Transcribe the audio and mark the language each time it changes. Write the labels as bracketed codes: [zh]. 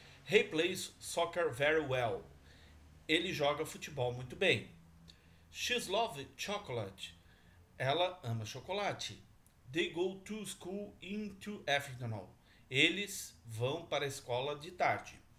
[en] He plays soccer very well. [pt] Ele joga futebol muito bem. [en] She's love chocolate. [pt] Ela ama chocolate. [en] They go to school in the afternoon. [pt] Eles vão para a escola de tarde.